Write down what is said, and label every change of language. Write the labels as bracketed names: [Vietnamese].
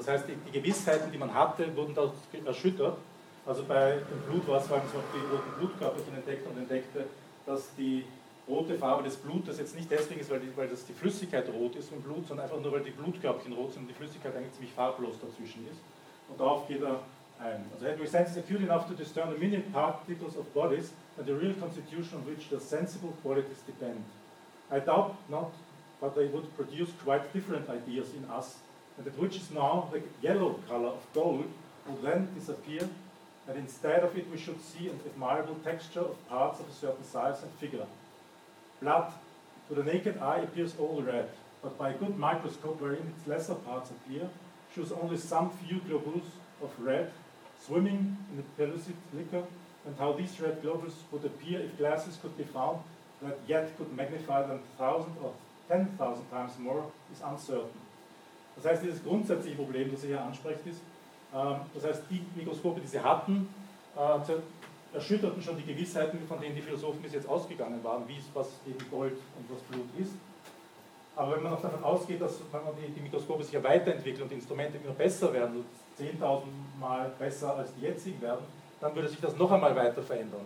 [German] Das heißt, die Gewissheiten, die man hatte, wurden da erschüttert. Also bei dem Blut war es vor allem so, die roten Blutkörperchen entdeckt und entdeckte, dass die rote Farbe des Blutes jetzt nicht deswegen ist, weil das die Flüssigkeit rot ist vom Blut, sondern einfach nur, weil die Blutkörperchen rot sind und die Flüssigkeit eigentlich ziemlich farblos dazwischen ist. Und darauf geht er ein. [English] Also, Henry Sense is acute enough to discern the minute particles of bodies and the real constitution on which the sensible qualities depend. I doubt not, but they would produce quite different ideas in us. And that which is now the yellow color of gold would then disappear, and instead of it we should see an admirable texture of parts of a certain size and figure. Blood, to the naked eye, appears all red, but by a good microscope wherein its lesser parts appear, shows only some few globules of red swimming in the pellucid liquor, and how these red globules would appear if glasses could be found that yet could magnify them 1,000 or 10,000 times more is uncertain. [German] Das heißt, dieses grundsätzliche Problem, das Sie hier ansprechen, ist, das heißt, die Mikroskope, die Sie hatten, erschütterten schon die Gewissheiten, von denen die Philosophen bis jetzt ausgegangen waren, wie es, was eben Gold und was Blut ist. Aber wenn man auch davon ausgeht, dass man die Mikroskope sich ja weiterentwickeln und die Instrumente immer besser werden, 10.000 Mal besser als die jetzigen werden, dann würde sich das noch einmal weiter verändern.